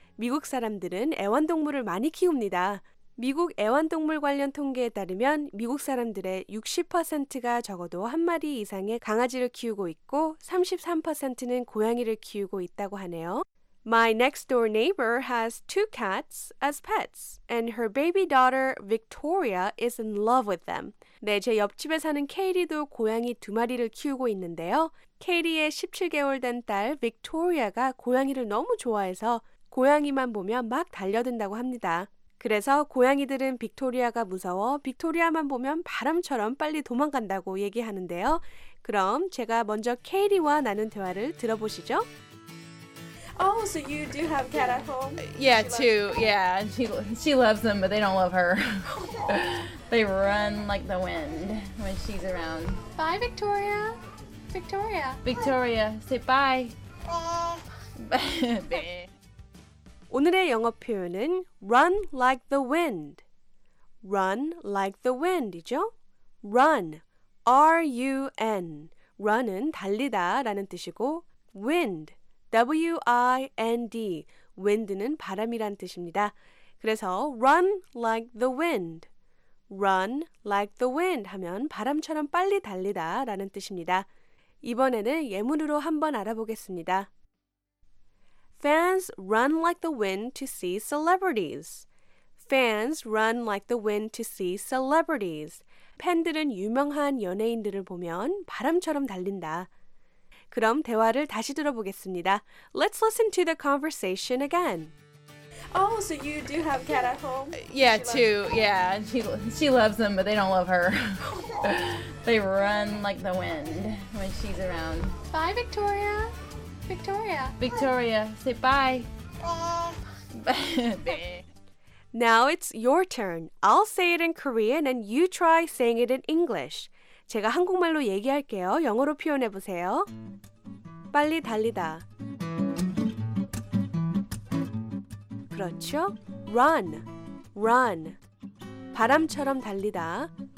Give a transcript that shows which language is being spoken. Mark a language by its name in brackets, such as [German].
[Korean] 미국 사람들은 애완동물을 많이 키웁니다. 미국 애완동물 관련 통계에 따르면 미국 사람들의 60%가 적어도 한 마리 이상의 강아지를 키우고 있고 33%는 고양이를 키우고 있다고 하네요. [English] My next door neighbor has two cats as pets, and her baby daughter Victoria is in love with them. [Korean] 네, 제 옆집에 사는 케이리도 고양이 두 마리를 키우고 있는데요. 케이리의 17개월 된 딸 빅토리아가 고양이를 너무 좋아해서 고양이만 보면 막 달려든다고 합니다. 그래서 고양이들은 빅토리아가 무서워 빅토리아만 보면 바람처럼 빨리 도망간다고 얘기하는데요. 그럼 제가 먼저 케이리와 나눈 대화를 들어보시죠. [English] Oh, so you do have a cat at home? Yeah, two. Yeah, she loves them, but they don't love her. They run like the wind when she's around. Bye, Victoria. Victoria. Victoria, say bye. Bye. [Korean] 오늘의 영어 표현은 [English] run like the wind. Run like the wind이죠? Run, R-U-N. [Korean] Run은 달리다 라는 뜻이고, wind, W-I-N-D. Wind는 바람이란 뜻입니다. 그래서 [English] run like the wind. Run like the wind [Korean] 하면 바람처럼 빨리 달리다 라는 뜻입니다. 이번에는 예문으로 한번 알아보겠습니다. [English] Fans run like the wind to see celebrities. Fans run like the wind to see celebrities. [Korean] 팬들은 유명한 연예인들을 보면 바람처럼 달린다. 그럼 대화를 다시 들어보겠습니다. [English] Let's listen to the conversation again. Oh, so you do have a cat at home? Yeah, two. Yeah, she loves them, but they don't love her. They run like the wind when she's around. Bye, Victoria. Victoria. Victoria, say bye. Now it's your turn. I'll say it in Korean and you try saying it in English. [Korean] 제가 한국말로 얘기할게요. 영어로 표현해 보세요. 빨리 달리다. 그렇죠? Run. Run. 바람처럼 달리다.